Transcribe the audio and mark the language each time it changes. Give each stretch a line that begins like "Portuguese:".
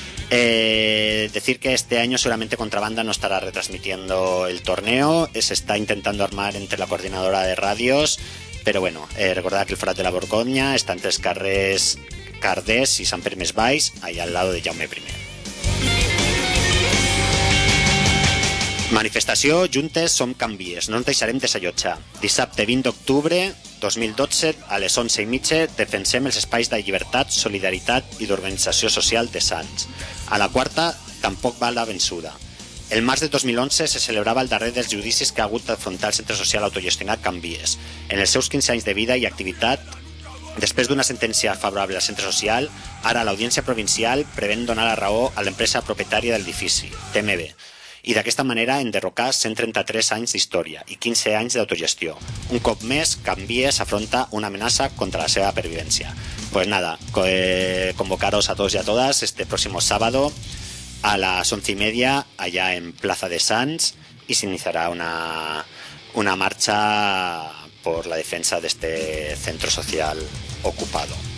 Spanish: Decir que este año seguramente Contrabanda no estará retransmitiendo el torneo, se está intentando armar entre la coordinadora de radios, pero bueno, recordad que el Forat de la Borgoña está en tres carrers Cardés y Sant Pere Més Baix, ahí al lado de Jaume I.
Catalan: Manifestació Juntes Som Canvies, no ens deixarem desallotjar. Dissabte 20 d'octubre 2012 a les 11:30 defensem els espais de llibertat, solidaritat i d'organització social de Sants. A la quarta tampoc va la vençuda. El març de 2011 se celebrava el darrer dels judicis que ha hagut d'afrontar el centre social autogestionat Canvies. En els seus 15 anys de vida i activitat, després d'una sentència favorable al centre social, ara l'Audiència Provincial preveu donar la raó a l'empresa propietària de l'edifici, TMB, i d'aquesta manera enderrocar 133 anys d'història i 15 anys d'autogestió. Un cop més, Canvies afronta una amenaça contra la seva pervivència.
Spanish: Pues nada, convocaros a todos y a todas este próximo sábado a las 11:30 allá en Plaza de Sants y se iniciará una marcha por la defensa de este centro social ocupado.